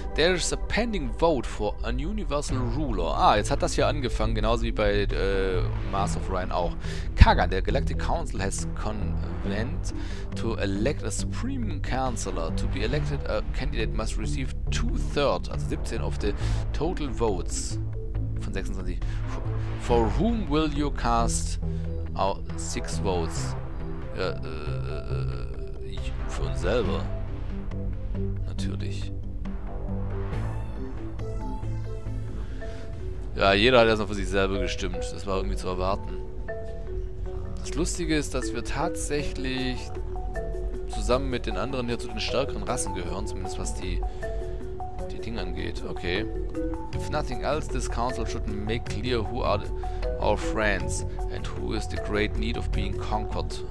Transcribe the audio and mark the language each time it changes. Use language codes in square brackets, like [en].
[en] There is a pending vote for an universal ruler. [de] Ah, jetzt hat das hier angefangen, genauso wie bei Mars of Ryan auch. [en] Kaga, the Galactic Council has convened to elect a supreme counselor. To be elected, a candidate must receive 2/3, also 17 of the total votes. [de] Von 26. [en] For whom will you cast our 6 votes? [de] Für uns selber. Natürlich. Ja, jeder hat erstmal für sich selber gestimmt. Das war irgendwie zu erwarten. Das Lustige ist, dass wir tatsächlich zusammen mit den anderen hier zu den stärkeren Rassen gehören, zumindest was die Dinge angeht. Okay. [en] If nothing else, this council should make clear who are our friends and who is the great need of being conquered.